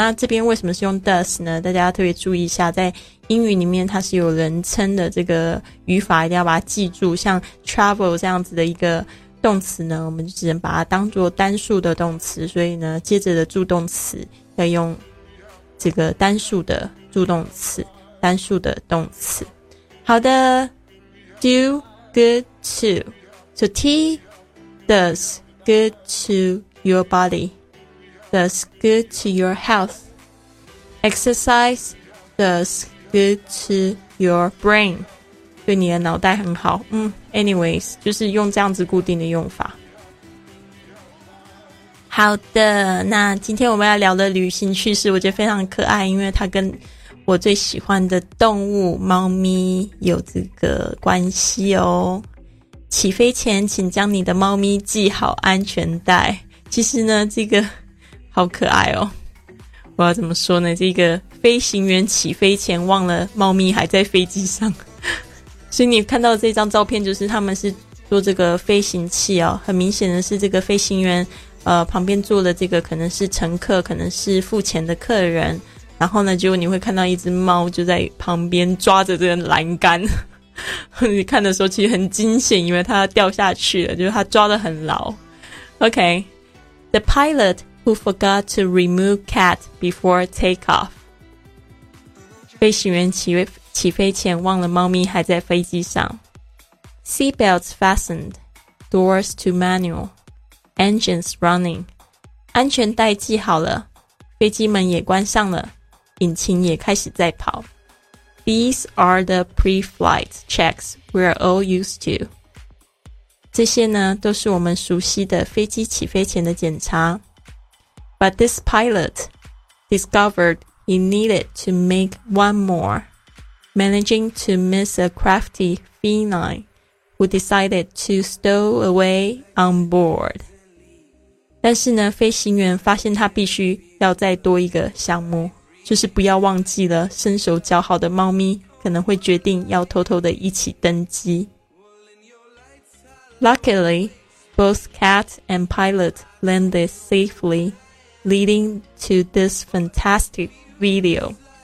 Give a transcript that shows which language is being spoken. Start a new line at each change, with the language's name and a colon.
Chinese: 那这边为什么是用 does 呢？大家要特别注意一下，在英语里面它是有人称的，这个语法一定要把它记住。像 travel 这样子的一个动词呢，我们就只能把它当作单数的动词，所以呢接着的助动词要用这个单数的助动词，单数的动词。
English: 好的， do good to， so T does good to your body, does good to your health. Exercise does good to your brain,
Chinese: 对你的脑袋很好。 Anyways, 就是用这样子固定的用法。好的，那今天我们要聊的旅行趣事我觉得非常可爱，因为它跟我最喜欢的动物猫咪有这个关系哦。起飞前请将你的猫咪系好安全带。其实呢这个好可爱哦，我要怎么说呢，这个飞行员起飞前忘了猫咪还在飞机上所以你看到这张照片就是他们是坐这个飞行器哦，很明显的是这个飞行员旁边坐的这个可能是乘客，可能是付钱的客人，然后呢结果你会看到一只猫就在旁边抓着这个栏杆你看的时候其实很惊险，因为它掉下去了，就是它抓得很牢。
English: OK， The pilot who forgot to remove cat before takeoff，
Chinese: 飞行员 起飞前忘了猫咪还在飞机上。
English: Seatbelts fastened， Doors to manual， Engines running，
Chinese: 安全带系好了，飞机门也关上了，引擎也开始在跑。
English: These are the pre-flight checks we're all used to.
Chinese: 这些呢都是我们熟悉的飞机起飞前的检查。
English: But this pilot discovered he needed to make one more, managing to miss a crafty feline who decided to stow away on board.
Chinese: 但是呢飞行员发现他必须要再多一个项目，就是不要忘记了身手较好的猫咪可能会决定要偷偷的一起登机。
English: Luckily, both cat and pilot landed safely, leading to this fantastic video.